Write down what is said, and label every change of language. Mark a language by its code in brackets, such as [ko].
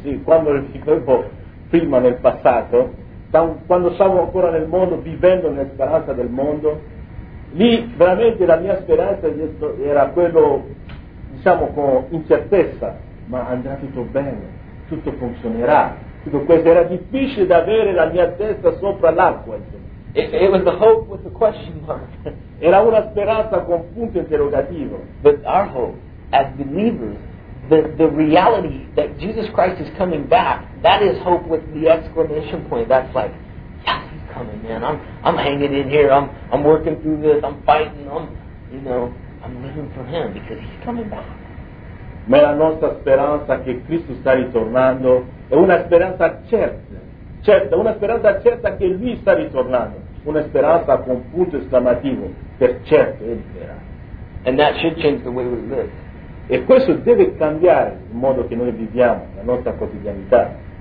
[it] Sì, quando vivevo prima nel passato, quando stavo ancora nel mondo, vivendo nella speranza del mondo, lì veramente la mia speranza era quello, diciamo, con incertezza, ma andrà tutto bene, tutto funzionerà. Tutto questo era difficile da avere la mia testa sopra l'acqua. [en] It was the hope with the question mark. [it] Era una speranza con punto interrogativo. [en] But our hope, as believers, the reality that Jesus Christ is coming back, that is hope with the exclamation point. That's like, yes, He's coming, man. I'm hanging in here. I'm working through this. I'm fighting. I'm living for Him because He's coming back. [it] Ma la nostra speranza che Cristo sta ritornando è una speranza certa. Certo, una speranza certa che Lui sta ritornando, una speranza con punto esclamativo, per certo è vera. [en] And that should change the way we live. [it] E questo deve cambiare il modo che noi viviamo, la nostra quotidianità.